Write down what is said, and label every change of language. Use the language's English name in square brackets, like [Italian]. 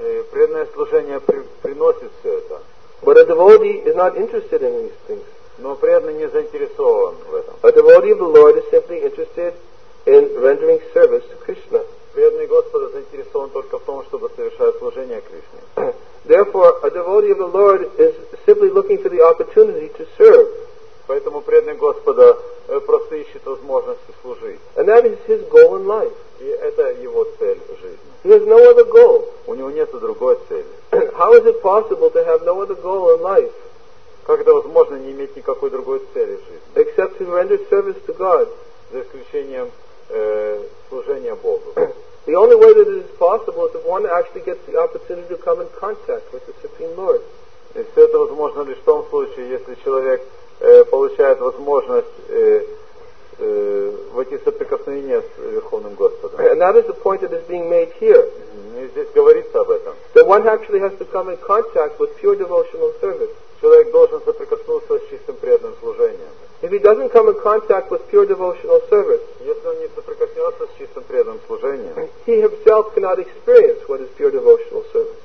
[Russian] Преданное служение приносит все это. [English] But a devotee is not interested in these things. [Russian] Но преданный не заинтересован в этом. [English] A devotee of the Lord is simply interested in rendering service to Krishna. [Russian] Преданный Господа заинтересован только в том, чтобы совершать служение Кришне. [English] Therefore, a devotee of the Lord is simply looking for the opportunity to serve. [Russian] Поэтому преданный Господа просто ищет возможности служить. [English] And that is his goal in life. [Russian] И это его цель в жизни. [English] He has no other goal. [Russian] У него нет другой цели. [English] How is it possible to have no other goal in life? [Russian] Как это возможно не иметь никакой другой цели в жизни? [English] Except to render service to God. [Russian] За исключением служения Богу. [English] The only way that it is possible is if one actually gets the opportunity to come in contact with the Supreme Lord. [Russian] И все это возможно лишь в том случае, если человек получает возможность войти в соприкосновение с Верховным Господом. [English] And that is the point that is being made here. [Russian] И здесь говорится об этом. [English] That one actually has to come in contact with pure devotional service. [Russian] Человек должен соприкоснуться с чистым преданным служением. [English] If he doesn't come in contact with pure devotional service, [Russian] если он не соприкоснется с чистым преданным служением, [English] he himself cannot experience what is pure devotional service.